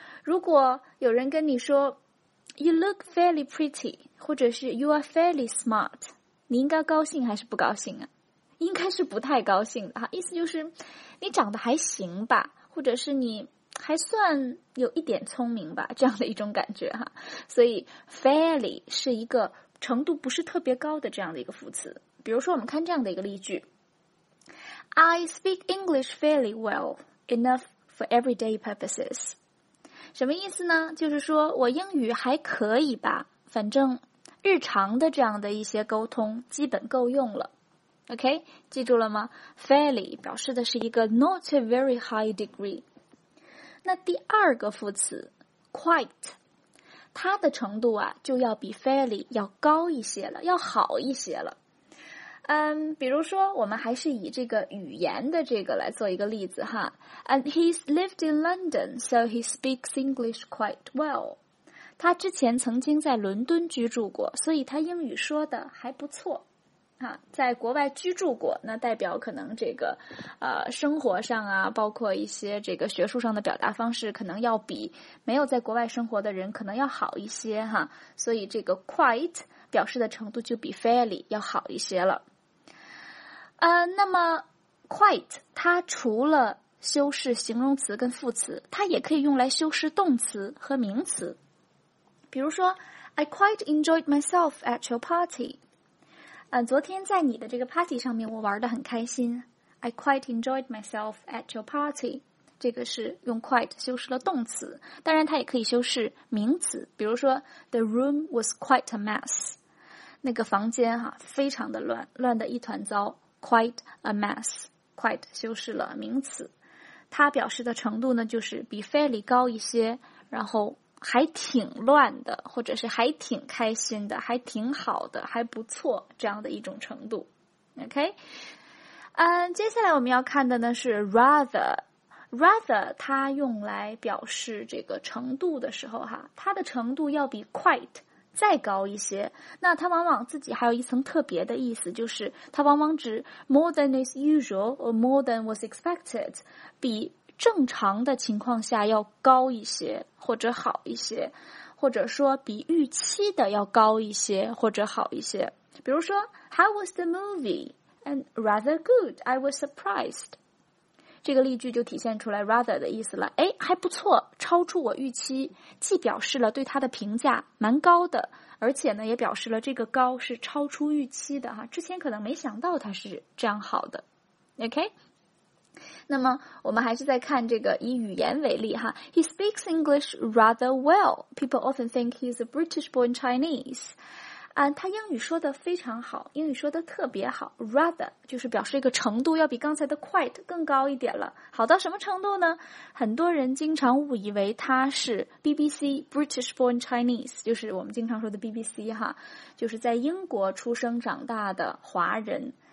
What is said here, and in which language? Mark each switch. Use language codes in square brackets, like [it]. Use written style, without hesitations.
[zh] 如果有人跟你说 [en] You look fairly pretty, [zh] 或者是 [en] You are fairly smart, [zh] 你应该高兴还是不高兴啊？应该是不太高兴的哈，意思就是你长得还行吧，或者是你还算有一点聪明吧，这样的一种感觉哈。所以 fairly 是一个程度不是特别高的这样的一个副词。比如说我们看这样的一个例句， [en] I speak English fairly well, enough for everyday purposes. [zh] 什么意思呢？就是说我英语还可以吧，反正日常的这样的一些沟通基本够用了。 OK, 记住了吗？ Fairly 表示的是一个 [en] not a very high degree。 [zh] 那第二个副词 quite, 它的程度啊就要比 fairly 要高一些了，要好一些了。比如说我们还是以这个语言的这个来做一个例子哈。 [en] And he's lived in London, so he speaks English quite well. [zh] 他之前曾经在伦敦居住过，所以他英语说的还不错。在国外居住过，那代表可能这个生活上啊，包括一些这个学术上的表达方式，可能要比没有在国外生活的人可能要好一些哈。所以这个 quite 表示的程度就比 fairly 要好一些了。那么 quite 它除了修饰形容词跟副词，它也可以用来修饰动词和名词。比如说 [en] I quite enjoyed myself at your party. [zh] 昨天在你的这个 party 上面我玩得很开心。 [en] I quite enjoyed myself at your party. [zh] 这个是用 quite 修饰了动词。当然它也可以修饰名词。比如说 [en] ,the room was quite a mess. [zh] 那个房间哈非常的乱，乱得一团糟。 [en] quite a mess. [zh] quite 修饰了名词。它表示的程度呢就是比 fairly 高一些，然后还挺乱的，或者是还挺开心的，还挺好的，还不错，这样的一种程度。 [en] OK? [zh] 接下来我们要看的呢是 rather。rather 它用来表示这个程度的时候哈，它的程度要比 quite 再高一些。那它往往自己还有一层特别的意思，就是它往往指 [en] more than is usual or more than was expected, [zh] 比正常的情况下要高一些或者好一些，或者说比预期的要高一些或者好一些。 [en] 比如说 How was the movie? And rather good, I was surprised. [zh] 这个例句就体现出来 rather 的意思了。诶，还不错，超出我预期，既表示了对他的评价蛮高的，而且呢也表示了这个高是超出预期的哈，之前可能没想到他是这样好的。 [en] OK? [zh] 那么我们还是在看这个以语言为例哈。 [en] He speaks English rather well. People often think he's a British-born Chinese. [zh] 他英语说得非常好，英语说得特别好。Rather 就是表示一个程度要比刚才的 quite 更高一点了。好到什么程度呢？很多人经常误以为他是 BBC [en] British-born Chinese, [zh] 就是我们经常说的 BBC 哈，就是在英国出生长大的华人。